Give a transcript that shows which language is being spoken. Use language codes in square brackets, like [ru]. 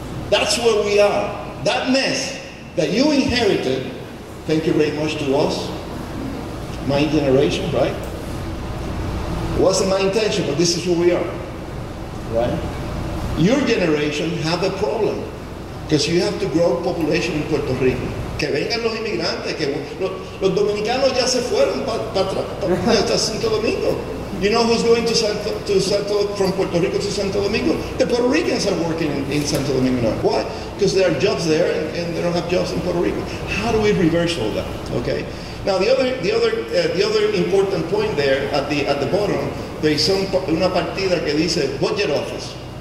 [en] That's where we are. That mess that you inherited, thank you very much to us, my generation, right? It wasn't my intention, but this is where we are, right? Your generation have a problem because you have to grow population in Puerto Rico. [es] Que vengan los inmigrantes, que los dominicanos ya se fueron para Santo Domingo. [en] You know who's going from Puerto Rico to Santo Domingo? The Puerto Ricans are working in Santo Domingo now. Why? Because there are jobs there and they don't have jobs in Puerto Rico. How do we reverse all that? Okay. Now the other important point there at the bottom, there is [es] una partida que dice [en] budget office.